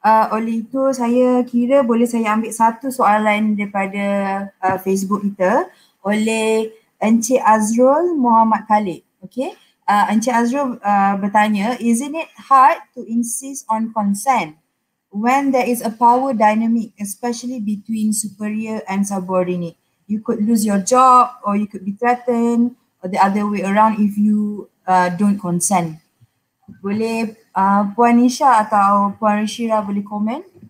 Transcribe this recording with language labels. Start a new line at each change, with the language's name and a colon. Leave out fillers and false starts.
Malay: Oleh itu saya kira boleh saya ambil satu soalan daripada Facebook kita oleh Encik Azrul Muhammad Khalid.
English: Okay.
Malay: Encik Azrul bertanya,
English: isn't it hard to insist on consent when there is a power dynamic especially between superior and subordinate? You could lose your job or you could be threatened or the other way around if you don't consent.
Malay: Boleh Puan Nisha atau Puan Reshera boleh komen?